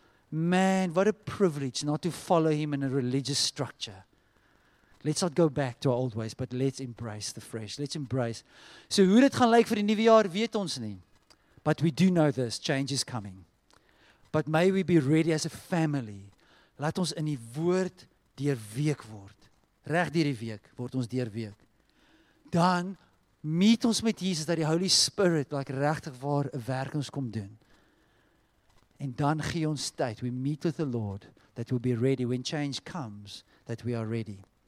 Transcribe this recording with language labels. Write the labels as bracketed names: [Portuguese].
[English] Man, what a privilege not to follow him in a religious structure. Let's not go back to our old ways, but let's embrace the fresh. Let's embrace. [Afrikaans] So hoe dit gaan lyk vir die nuwe jaar, weet ons nie. [English] But we do know this, change is coming. But may we be ready as a family. [Afrikaans] Laat ons in die woord deurweek word. Reg deur die week word ons deurweek. Dan meet ons met Jesus dat die Holy Spirit like regtig waar 'n werk ons kom doen. En dan gee ons tyd. [English] We meet with the Lord that we'll be ready when change comes, that we are ready.